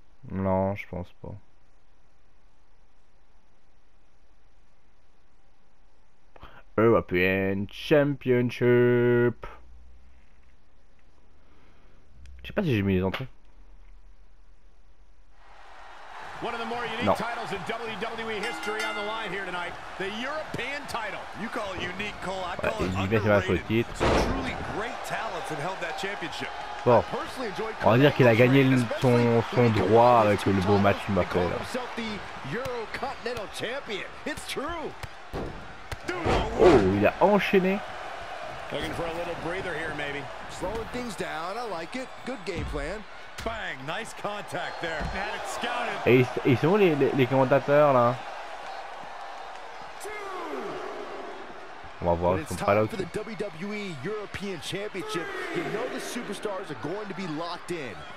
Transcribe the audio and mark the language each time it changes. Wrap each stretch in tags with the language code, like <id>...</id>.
<fr>Non, je pense pas.</fr> <en>European Championship.</en> <fr>Je sais pas si j'ai mis les entrées.</fr> <en>One of the more unique titles in WWE history on the line here tonight. The European title. You call it unique, Cole. I call it underrated. Some truly great talents have held that championship.</en> <fr>Bon, on va dire qu'il a gagné son droit avec le beau match qu'il m'a fait.</fr> <en>He calls himself the Eurocontinental champion. It's true.</en> <fr>Oh, il a enchaîné.</fr> <en>Looking for a little breather here, maybe. Slowing things down. I like it. Good game plan. Bang, nice contact there. Had it scouted.</en> <fr>Et ils sont où les commentateurs là? On va voir, ils sont pas là aussi.</fr> <en>For the WWE European Championship. You know the superstars are going to be locked in.</en>